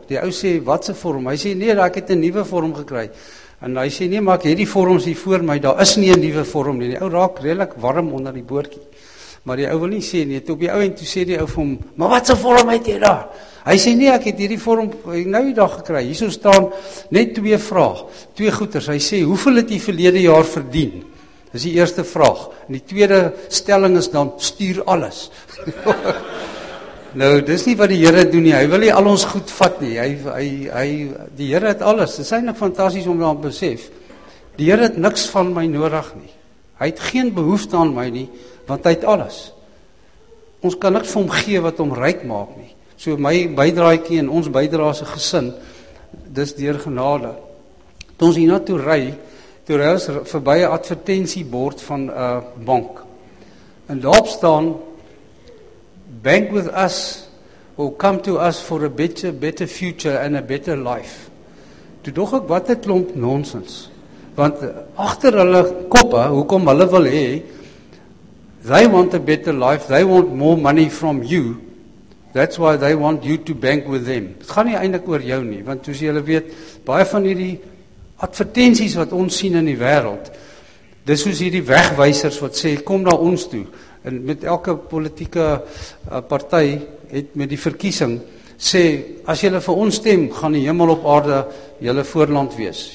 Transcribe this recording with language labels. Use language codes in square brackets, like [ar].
[af] Die ou sê, wat se vorm? Hy sê, nee, ek het 'n nuwe vorm gekry. En hy sê, nee, maar ek het die vorms hier voor my, daar is nie 'n nuwe vorm nie. Die ou raak redelik warm onder die boordjie. Maar die ou wil nie sê nie, toe op die ou en toe sê die ou vir hom, maar wat 'n vorm het jy daar? Hy sê, nee, ek het hierdie vorm nou die dag gekry. Hierso staan net twee vraag, twee goeters. Hy sê, hoeveel het jy verlede jaar verdien? Dis die eerste vraag. En die tweede stelling is dan, stuur alles. Nou, dis nie wat die Here doen nie, hy wil nie al ons goed vat nie, hy die Here het alles, dit is eintlik fantasties om daar te besef, die Here het niks van my nodig nie, hy het geen behoefte aan my nie, want hy het alles, ons kan niks vir hom gee wat hom ryk maak nie, so my bydraaikie en ons bydraa se gesin, dis deur genade, toe ons hierna toe ry ons verby 'n advertensiebord van 'n bank, en daarop staan, [en] bank with us will come to us for a better future and a better life. [af] Toe dog ek wat 'n klomp nonsens. Want agter hulle koppe, hoekom hulle wil hê, [en] they want a better life, they want more money from you. That's why they want you to bank with them. [af] Dit gaan nie eintlik oor jou nie, want soos julle weet, baie van hierdie advertensies wat ons sien in die wêreld, dis soos hierdie wegwysers wat sê kom na ons toe. En met elke politieke party het met die verkiesing sê as julle vir ons stem, gaan die hemel op aarde julle voorland wees.